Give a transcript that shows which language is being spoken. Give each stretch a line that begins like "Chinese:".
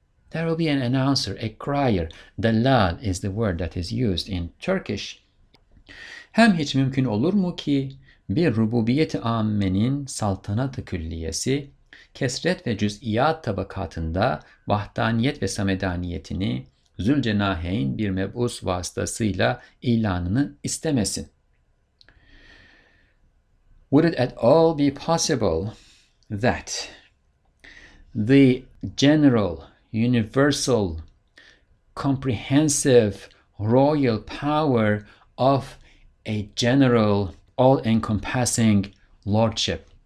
English: There will be an announcer, a crier. Dallal is the word that is used in Turkish.
Turkish: Hem hiç mümkün olur mu ki bir rububiyet-i âmmenin saltanat-ı külliyesi kesret ve cüz'iyat tabakatında vahdaniyet ve samedaniyetini zülcenaheyn bir mebus vasıtasıyla ilanını istemesin?
English: Would it at all be possible that the general, universal, comprehensive, royal power of a general, all-encompassing lordship?